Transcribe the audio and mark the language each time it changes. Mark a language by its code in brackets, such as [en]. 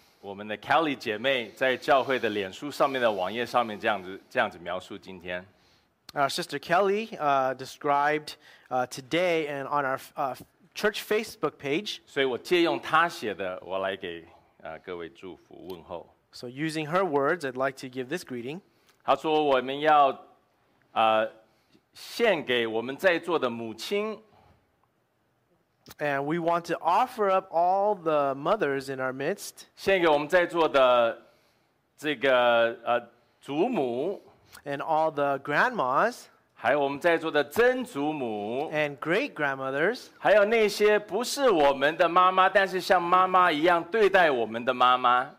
[zh] 我们的 Kelly 姐妹在教会的脸书上面的网页上面这样子描述今天。 [en] Our sister Kelly described today and on our church Facebook page. [zh] 所以我借用她写的，我来给各位祝福问候。 [en] So using her words, I'd like to give this greeting. [zh] 她说我们要献给我们在座的母亲。 [en] And we want to offer up all the mothers in our midst. [zh] 献给我们在座的这个祖母。 [en] And all the grandmas. [zh] 还有我们在座的曾祖母。 [en] And great grandmothers. [zh] 还有那些不是我们的妈妈，但是像妈妈一样对待我们的妈妈。